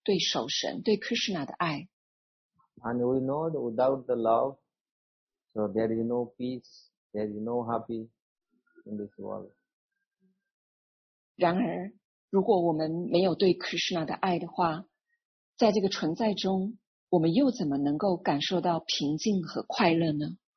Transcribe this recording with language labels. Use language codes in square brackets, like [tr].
[zh] 如果我们没有办法去除内心的这个障碍、骄傲的这个敌人的话，我们真的很难取得对守神、对Krishna的爱。 [en] And we know that without the love, so there is no peace, there is no happy in this world. [zh] 然而，如果我们没有对Krishna的爱的话，在这个存在中，我们又怎么能够感受到平静和快乐呢？